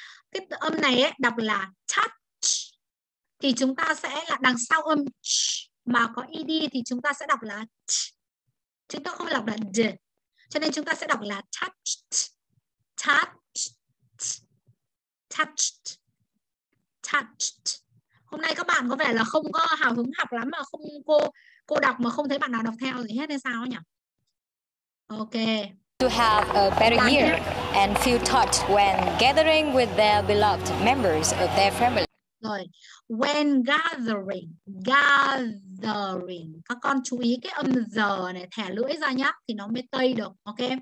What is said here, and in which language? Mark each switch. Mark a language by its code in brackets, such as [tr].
[vi] Cái âm này ấy, đọc là touch. Thì chúng ta sẽ là đằng sau âm ch mà có ed thì chúng ta sẽ đọc là ch. Chúng ta không đọc là d. Cho nên chúng ta sẽ đọc là touched. Hôm nay các bạn có vẻ là không có hào hứng học lắm mà không cô đọc mà không thấy bạn nào đọc theo gì hết hay sao nhỉ? [en] Ok. To have a better year and feel touched when gathering with their beloved members of their family. Rồi. When gathering. [vi] Các con chú ý cái âm giờ này, thẻ lưỡi ra nhá thì nó mới tây được, ok?